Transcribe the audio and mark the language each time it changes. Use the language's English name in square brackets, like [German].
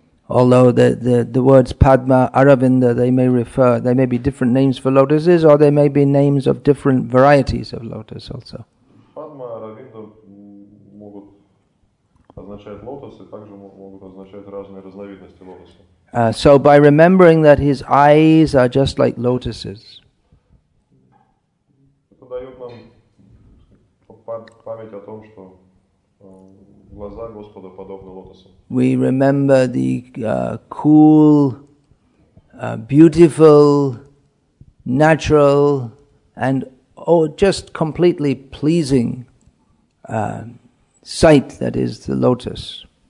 [English] Although the words Padma, Aravinda, they may refer, they may be different names for lotuses, or they may be names of different varieties of lotus also. [Russian] Padma, Aravinda могут означать лотос, и также могут означать разные разновидности лотоса. [English] So by remembering that his eyes are just like lotuses, [Russian] это дает нам память о том, что глаза Господа подобны лотосам. [English] We remember the cool, beautiful, natural, and just completely pleasing sight that is the lotus.